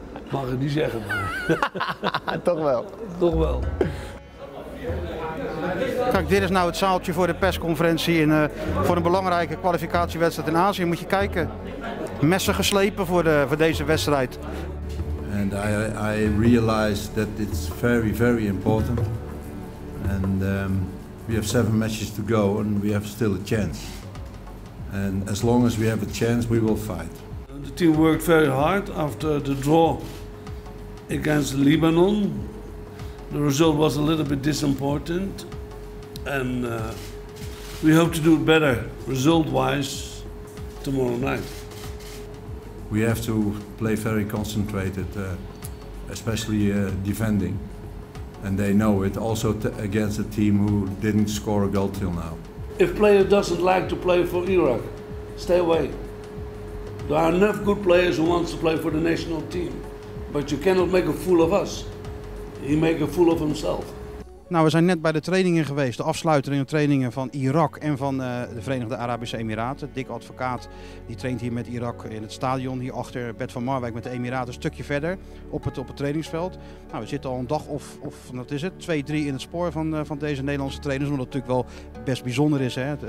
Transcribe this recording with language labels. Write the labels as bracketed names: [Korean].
[Dutch] Mag ik niet zeggen, maar. Toch wel. Kijk, dit is nou het zaaltje voor de persconferentie voor een belangrijke kwalificatiewedstrijd in Azië. Moet je kijken. Messen geslepen voor deze wedstrijd. [English] And I realize that it's very, very important. And we have 7 matches to go and we have still a chance. And as long as we have a chance, we will fight. The team worked very hard after the draw against Lebanon. The result was a little bit disappointing. And we hope to do it better result-wise tomorrow night. We have to play very concentrated, especially defending. And they know it also against a team who didn't score a goal till now. If player doesn't like to play for Iraq, stay away. There are enough good players who want to play for the national team. But you cannot make a fool of us. He makes a fool of himself. [Dutch] Nou, we zijn net bij de trainingen geweest, de afsluitende trainingen van Irak en van de Verenigde Arabische Emiraten. Dick Advocaat die traint hier met Irak in het stadion, hier achter Bed van Marwijk met de Emiraten, een stukje verder op het trainingsveld. Nou, we zitten al een dag of wat is het, 2-3 in het spoor van deze Nederlandse trainers, omdat het natuurlijk wel best bijzonder is. Hè?